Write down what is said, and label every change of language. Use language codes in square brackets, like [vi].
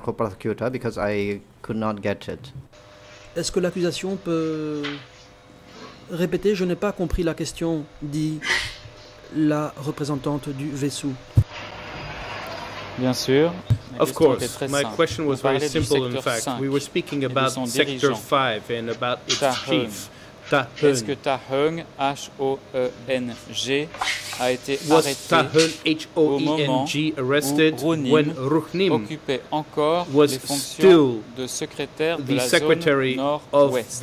[en] Co-prosecutor, because I could not get it. [fr] Est-ce que l'accusation peut répéter? Je n'ai pas compris la question, dit la représentante du vaisseau. Bien sûr. [en] Of course, my question was very simple. In fact, we were speaking about Sector 5 and about its chief. Tahung. [fr] Est-ce que Tahung, H-O-E-N-G, a été arrêté au moment où Rounim occupait encore les fonctions de secrétaire de la zone nord-ouest?